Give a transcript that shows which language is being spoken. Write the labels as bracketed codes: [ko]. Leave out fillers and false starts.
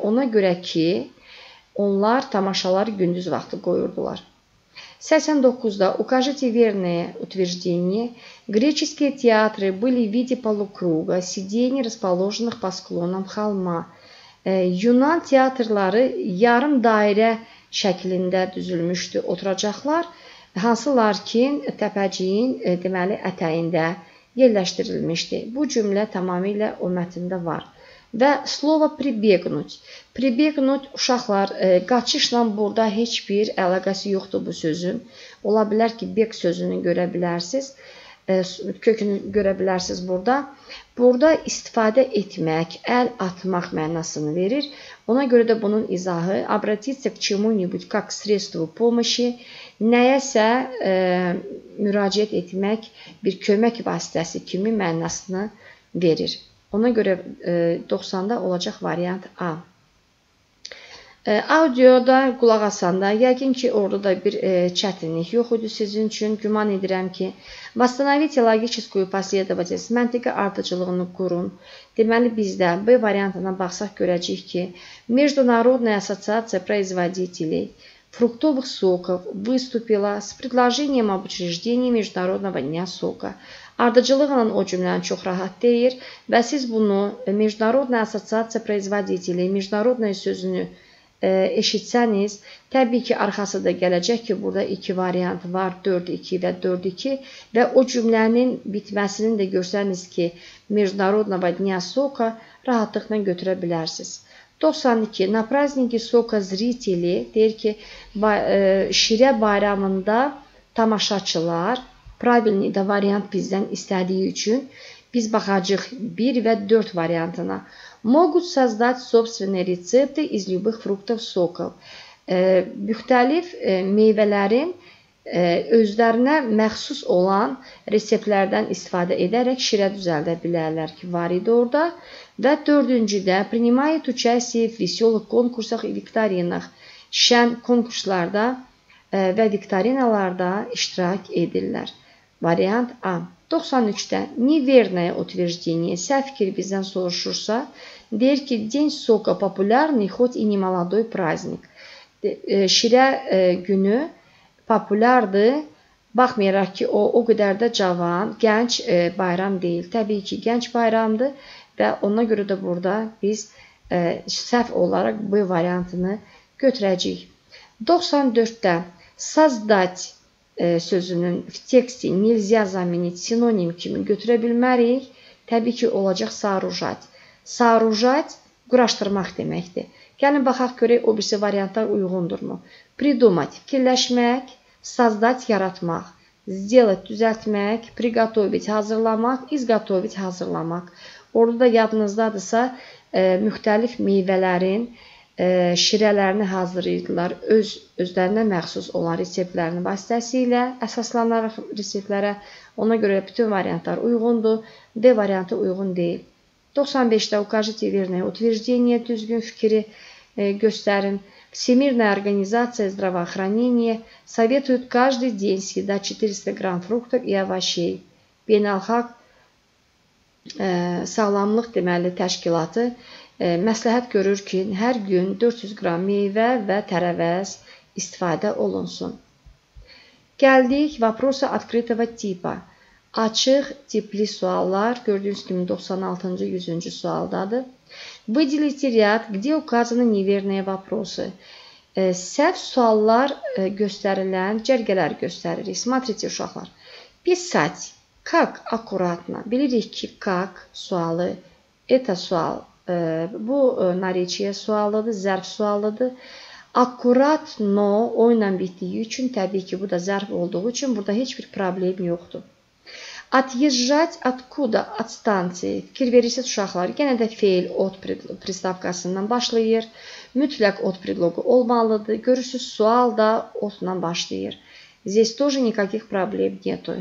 [az] Ona görə ki, onlar tamaşaları gündüz vaxtı qoyurdular. [ru] 89-da укажите верное утверждение. Греческие театры были в виде полукруга, сидений, расположенных по склонам холма. [az] Yunan teatrları yarım dairə şəklində düzülmüşdü oturacaqlar, hansılar ki, təpəciyin, deməli, ətəyində yerləşdirilmişdi. Bu cümlə tamamilə o mətndə var. [ru] Və слово прибегнуть. [az] Прибегнуть, uşaqlar, qaçışla burada heç bir əlaqəsi yoxdur bu sözün. Ola bilər ki, beg sözünü görə bilərsiniz, kökünü görə bilərsiniz burada. Burada istifadə etmək, əl atmaq mənasını verir. Ona görə də bunun izahı, [ru] обратиться к чему-нибудь как к средству помощи, [az] nəyəsə müraciət etmək bir kömək vasitəsi kimi mənasını verir. Ona görə 90-da olacaq variant A. Audioda qulaq asanda, yəqin ki, orada da bir çətinlik yox idi sizin üçün. Güman edirəm ki, [ru] восстановите логическую последовательность, [az] məntiqə ardıcılığını qurun. Deməli, bizdə B variantına baxsaq görəcəyik ki, [ru] Международная ассоциация производителей фруктовых соков выступила с предложением об учреждении Международного дня сока. [az] Ardıcılıqla o cümlənin çox rahat deyir və siz bunu [ru] Mejnarodna Asosiasiya Proizvaditeli, [az] Mejnarodna sözünü eşitsəniz, təbii ki, arxası da gələcək ki, burada iki variant var, 4-2 və 4-2 və o cümlənin bitməsini də görsəniz ki, [ru] Mejnarodna Vadnia Soka [az] rahatlıqla götürə bilərsiniz. 92. [ru] Na prazniki Soka Zriteli [az] deyir ki, Şirə bayramında tamaşaçılar, pravilni də variant bizdən istədiyi üçün biz baxacaq 1 və 4 variantına. [ru] Могут создать собственные рецепты из любых фруктов соков. [az] Müxtəlif meyvələrin özlərinə məxsus olan reseptlərdən istifadə edərək şirə düzəldə bilərlər ki, var idi orada. Və dördüncüdə, [ru] принимает участие в веселых конкурсах и викторинах. [az] Şən konkurslarda və viktorinalarda iştirak edirlər. Variant A. [ru] 93-də неверное утверждение. [az] Səhv fikir bizdən soruşursa, deyir ki, [ru] день сока популярный, хоть и не молодой праздник. [az] Şirə günü populyardır, baxmayaraq ki, o qədər də cavan, gənc bayram deyil. Təbii ki, gənc bayramdır və ona görə də burada biz səhv olaraq bu variantını götürəcəyik. [ru] 94-də создать [az] sözünün [ru] в тексте нельзя заменить синоним [az] kimi götürə bilmərik. Təbii ki, olacaq сооружать. Сооружать quraşdırmaq deməkdir. Gəlin baxaq görək o birisi variantlar uyğundurmu? Придумать fikirləşmək, создать yaratmaq, сделать düzəltmək, приготовить hazırlamaq, изготовить hazırlamaq. Orada da yadınızdadırsa müxtəlif meyvələrin şirələrini hazırlayırdılar özlərinə məxsus olan reseptlərini vasitəsilə əsaslanaraq reseptlərə. Ona görə bütün variantlar uyğundur, D variantı uyğun deyil. 95-də [ru] укажите верное утверждение, [az] düzgün fikri göstərin. [ru] Всемирная организация здравоохранения советует каждый день съедать 400 грамм фруктов и овощей. [az] Beynəlxalq sağlamlıq deməli təşkilatı məsləhət görür ki, hər gün 400 qram meyvə və tərəvəz istifadə olunsun. Gəldik [ru] vaprosa открытого типа. [az] Açıq tipli suallar, gördüyünüz kimi 96-cı 100-cü sualdadır. [ru] Выделите ряд, где указаны неверные вопросы. [az] Səhv suallar göstərilən cərgələr göstəririk. [ru] Смотрите, [az] uşaqlar. [ru] Писать. Как аккуратно? [az] Bilirik ki, как sualı, это sual. Bu nariçiye sualıdır, zərf sualıdır. Akurat no oyla bitdiyi üçün, təbii ki, bu da zərf olduğu üçün burada heç bir problem yoxdur. [ru] Отъезжать откуда? От станции. [az] Fikir verirsiniz uşaqlar. Yenə də fail od pristavkasından başlayır. Mütləq od predloqu olmalıdır. Görürsünüz, sual da odla başlayır. [ru] Здесь тоже никаких проблем нету.